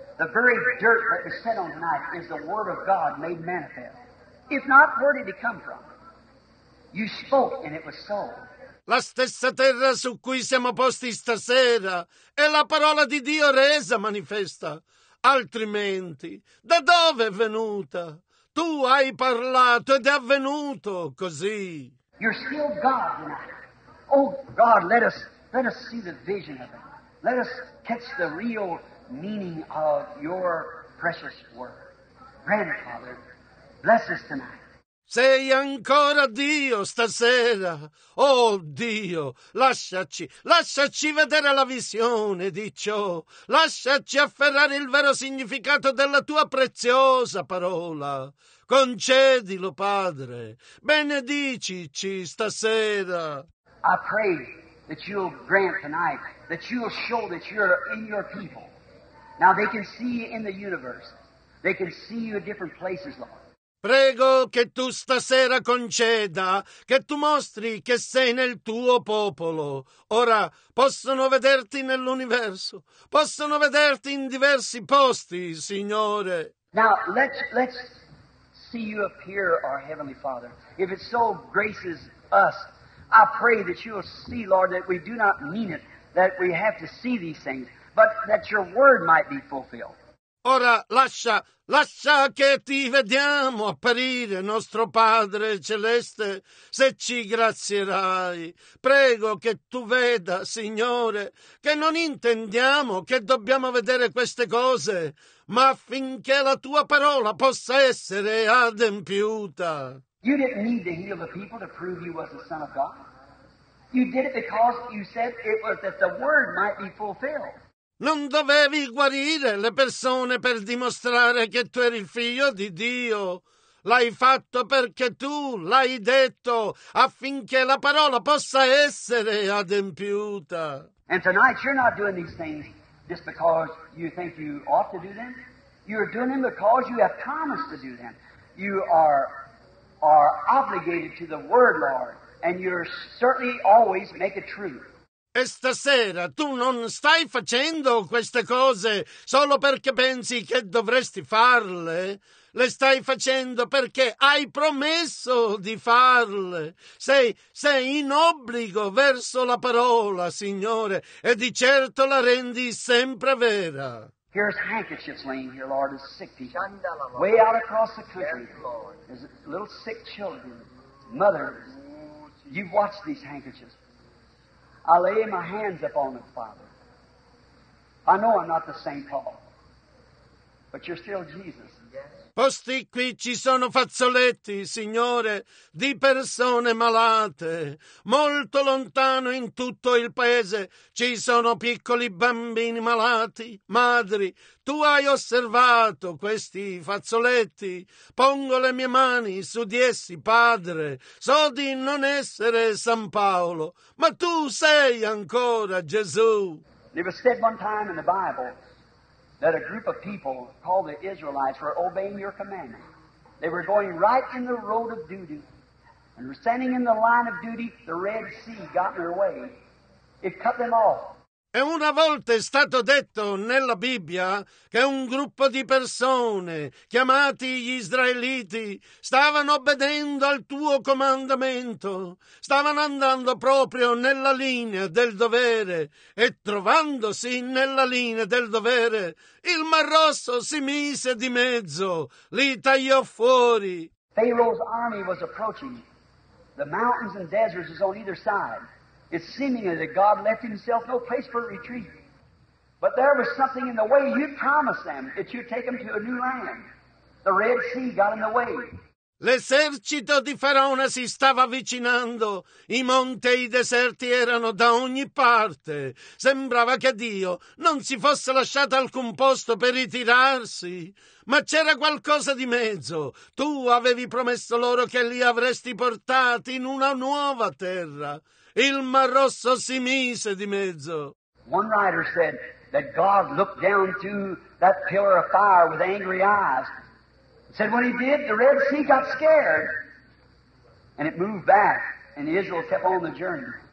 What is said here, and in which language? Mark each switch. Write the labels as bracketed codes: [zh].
[en] The very dirt that is set on tonight is the word of God made manifest. If not, where did it come from? You spoke and it was so. [it] La stessa terra su cui siamo posti stasera è la parola di Dio resa manifesta. Altrimenti, da dove è venuta? Tu hai parlato ed è avvenuto così. [en] You're still God tonight. Oh God, let us see the vision of it. Let us catch the real meaning of your precious word. Grandfather, bless us tonight. [it] Sei ancora Dio stasera. Oh Dio, lasciaci vedere la visione di ciò. Lasciaci afferrare il vero significato della tua preziosa parola. Concedilo, Padre. Benedicici stasera. [en] I pray that you'll grant tonight that you'll show that you're in your people. Now they can see you in the universe. They can see you in different places, Lord. [it] Prego che tu stasera conceda che tu mostri che sei nel tuo popolo. Ora possono vederti nell'universo, possono vederti in diversi posti, Signore. [en] Now let's see you appear, our Heavenly Father. If it so graces us, I pray that you'll see, Lord, that we do not mean it, that we have to see these things, but that your word might be fulfilled. [it] Ora lascia che ti vediamo apparire, nostro Padre Celeste, se ci grazierai. Prego che tu veda, Signore, che non intendiamo che dobbiamo vedere queste cose, ma affinché la tua parola possa essere adempiuta. [en] You didn't need to heal the people to prove you was the Son of God. You did it because you said it was that the word might be fulfilled. [it] Non dovevi guarire le persone per dimostrare che tu eri il figlio di Dio. L'hai fatto perché tu l'hai detto, affinché la parola possa essere adempiuta. [en] And tonight you're not doing these things just because you think you ought to do them. You're doing them because you have promised to do them. You are obligated to the word, Lord, and you're certainly always make it true. [it] E stasera tu non stai facendo queste cose solo perché pensi che dovresti farle. Le stai facendo perché hai promesso di farle. Sei in obbligo verso la parola, Signore, e di certo la rendi sempre vera. [en] Here's handkerchiefs laying here, Lord, as sick people. Way out across the country, Lord, there's little sick children, mothers. You've watched these handkerchiefs. I lay my hands upon them, Father. I know I'm not the same Paul, but you're still Jesus. [it] posti qui ci sono fazzoletti, Signore, di persone malate. Molto lontano in tutto il paese ci sono piccoli bambini malati. Madri, tu hai osservato questi fazzoletti. Pongo le mie mani su di essi, Padre. So di non essere San Paolo, ma tu sei ancora Gesù. [en] It was said one time in the Bible that a group of people called the Israelites were obeying your commandment. They were going right in the road of duty. And standing in the line of duty, the Red Sea got in their way. It cut them off. [it] E una volta è stato detto nella Bibbia che un gruppo di persone, chiamati gli Israeliti, stavano obbedendo al tuo comandamento, stavano andando proprio nella linea del dovere, e trovandosi nella linea del dovere, il Mar Rosso si mise di mezzo, li tagliò fuori. [en] Pharaoh's army was approaching. The mountains and deserts is on either side. It's seeming that God left himself no place for retreat. But there was something in the way. You promised them that you'd take them to a new land. The Red Sea got in the way. [it] L'esercito di Faraone si stava avvicinando, i monti e i deserti erano da ogni parte. Sembrava che Dio non si fosse lasciato alcun posto per ritirarsi, ma c'era qualcosa di mezzo. Tu avevi promesso loro che li avresti portati in una nuova terra. Il Mar Rosso si mise di mezzo. [en] One writer said that God looked down through that pillar of fire with angry eyes. Said when he did, the Red Sea got scared. And it moved back, and Israel kept on the journey.